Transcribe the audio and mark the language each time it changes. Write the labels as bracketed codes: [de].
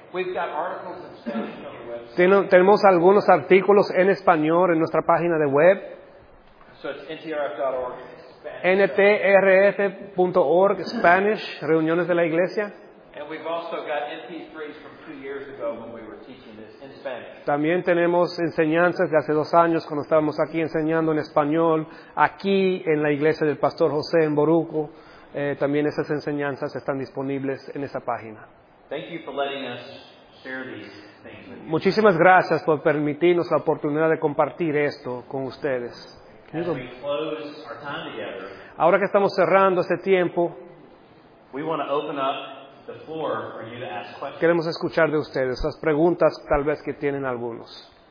[en] We've got articles in Spanish on the website. [es] Tenemos algunos artículos en español en nuestra página de web. [en] So it's ntrf.org. [es] ntrf.org Spanish reuniones de la iglesia. [en] And we've also got MP3s from 2 years ago when we were teaching this in Spanish. [es] También tenemos enseñanzas de hace 2 años cuando estábamos aquí enseñando en español aquí en la iglesia del Pastor José en Boruco. También esas enseñanzas están disponibles en esa página. [en] Thank you for letting us share these things with you. [es] Muchísimas gracias por permitirnos la oportunidad de compartir esto con ustedes. [en] As we close our time together, [es] ahora que estamos cerrando este tiempo, [en] we want to open up the floor for you to ask questions. [es] Queremos escuchar de ustedes las preguntas tal vez que tienen algunos.